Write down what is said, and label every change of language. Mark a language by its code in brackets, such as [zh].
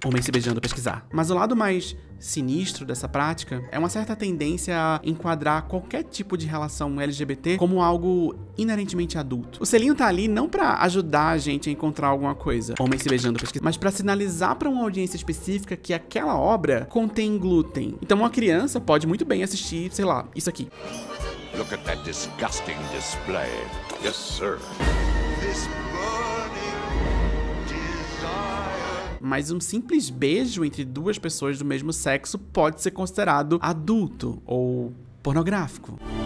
[pt] Homens se beijando, pesquisar. Mas o lado mais sinistro dessa prática é uma certa tendência a enquadrar qualquer tipo de relação LGBT como algo inerentemente adulto. O selinho tá ali não pra ajudar a gente a encontrar alguma coisa, homens se beijando, mas pra sinalizar pra uma audiência específica que aquela obra contém glúten. Então uma criança pode muito bem assistir, sei lá, isso aqui. [en] Look at that disgusting display. Yes, sir. [pt] This Mas um simples beijo entre duas pessoas do mesmo sexo pode ser considerado adulto ou pornográfico.